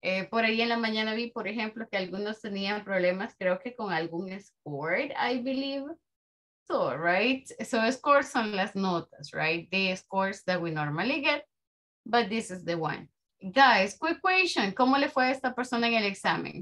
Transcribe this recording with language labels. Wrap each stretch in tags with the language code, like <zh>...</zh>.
<es>Por ahí en la mañana vi, por ejemplo, que algunos tenían problemas, creo que con algún score,</es> <en>I believe. So, right, so scores</en> <es>son las notas,</es> <en>right, the scores that we normally get, but this is the one. Guys, quick question,</en> <es>¿cómo le fue a esta persona en el examen?</es>